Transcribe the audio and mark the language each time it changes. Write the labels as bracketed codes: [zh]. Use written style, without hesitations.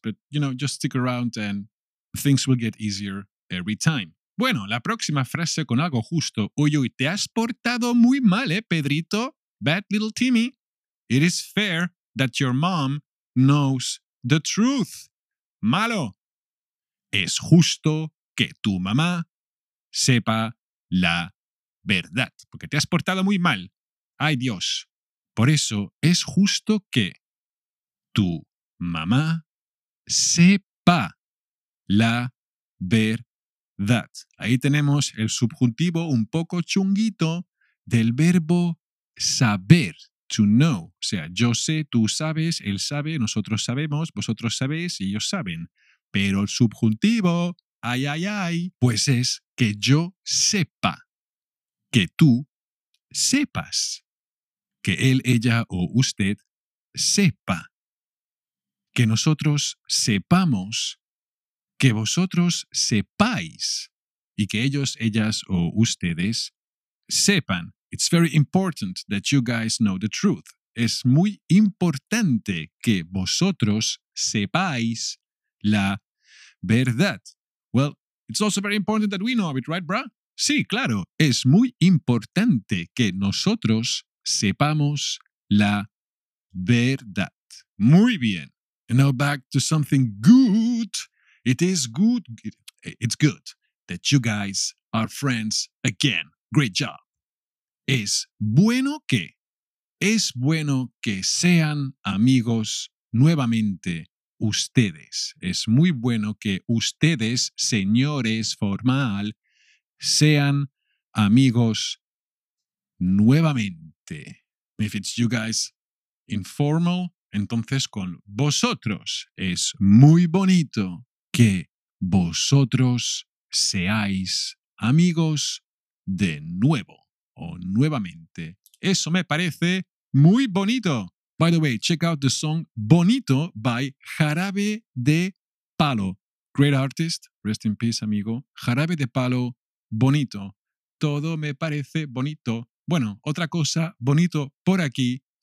[en] But, you know, just stick around and things will get easier every time. [es] Bueno, la próxima frase con algo justo. Uy, uy, te has portado muy mal, Pedrito. [en] Bad little Timmy. It is fair that your mom knows the truth. [es] Malo. Es justo que tu mamá sepa la verdad. Porque te has portado muy mal. Ay, Dios. Por eso es justo que tu mamá sepa la verdad. Ahí tenemos el subjuntivo un poco chunguito del verbo saber, to know. O sea, yo sé, tú sabes, él sabe, nosotros sabemos, vosotros sabéis y ellos saben. Pero el subjuntivo, ay, ay, ay, pues es que yo sepa, que tú sepas, que él, ella o usted sepa, que nosotros sepamos, que vosotros sepáis y que ellos, ellas o ustedes sepan. [en] It's very important that you guys know the truth. [es] Es muy importante que vosotros sepáis la verdad. [en] Well, it's also very important that we know of it, right, brah? [es] Sí, claro. Es muy importante que nosotros sepamos la verdad. Muy bien. [en] And now back to something good. It is good. It's good that you guys are friends again. Great job. [es] Es bueno que sean amigos nuevamente ustedes. Es muy bueno que ustedes, señores formal, sean amigos nuevamente. [en] If it's you guys informal, [es] entonces con vosotros. Es muy bonito que vosotros seáis amigos de nuevo o nuevamente. Eso me parece muy bonito. [en] By the way, check out the song Bonito by Jarabe de Palo. Great artist. Rest in peace, [es] amigo. Jarabe de Palo, Bonito. Todo me parece bonito. Bueno, otra cosa bonito por aquí.